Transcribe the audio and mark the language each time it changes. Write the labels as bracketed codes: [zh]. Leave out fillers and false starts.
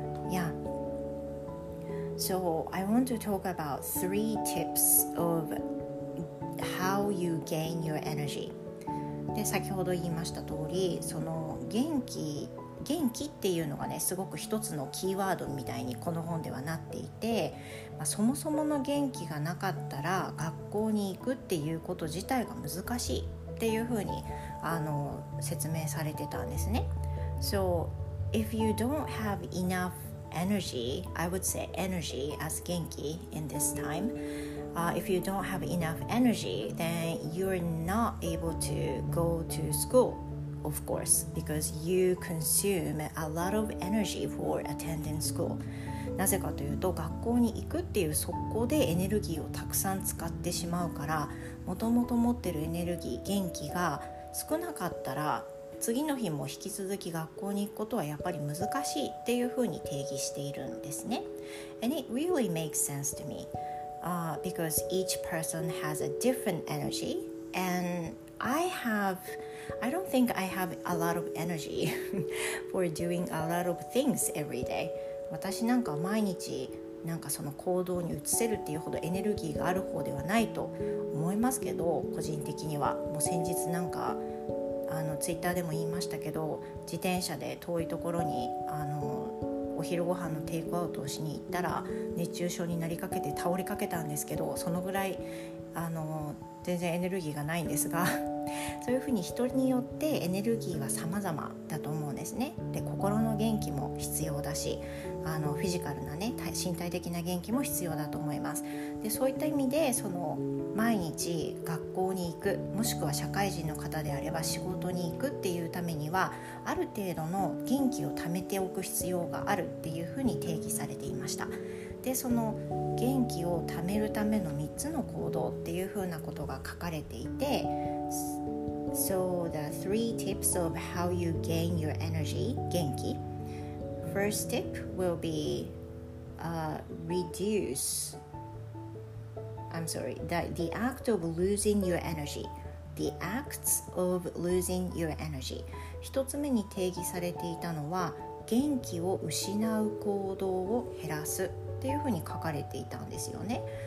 [en] Yeah. So I want to talk about three tips of how you gain your energy. [ja] で先ほど言いました通り、その元気元気っていうのがね、すごく一つのキーワードみたいにこの本ではなっていて、まあ、そもそもの元気がなかったら学校に行くっていうこと自体が難しいっていうふうに説明されてたんですね。 [en] So if you don't have enough energy, I would say energy as 元気 in this time. If you don't have enough energy, then you're not able to go to school, of course, because you consume a lot of energy for attending school. [ja] なぜかというと、学校に行くっていう速攻でエネルギーをたくさん使ってしまうから、もともと持ってるエネルギー、元気が少なかったら、次の日も引き続き学校に行くことはやっぱり難しいっていうふうに定義しているんですね。 [en] And it really makes sense to me. Because each person has a different energy, and I don't think I have a lot of energy for doing a lot of things every day. [ja] 私なんか毎日なんかその行動に移せるっていうほどエネルギーがある方ではないと思いますけど、個人的にはもう先日なんかツイッターでも言いましたけど、自転車で遠いところにお昼ご飯のテイクアウトをしに行ったら熱中症になりかけて倒れかけたんですけど、そのぐらい全然エネルギーがないんですがそういうふうに人によってエネルギーは様々だと思うんですね。で、心の元気も必要だし、フィジカルなね、身体的な元気も必要だと思います。で、そういった意味で、その毎日学校に行く、もしくは社会人の方であれば仕事に行くっていうためには、ある程度の元気を貯めておく必要があるっていうふうに定義されていました。で、その元気を貯めるための3つの行動っていうふうなことが書かれていて、 [en] So the three tips of how you gain your energy, 元気. First tip will be reduce. I'm sorry, the act of losing your energy. The acts of losing your energy. [ja] 一つ目に定義されていたのは、元気を失う行動を減らすっていうふうに書かれていたんですよね。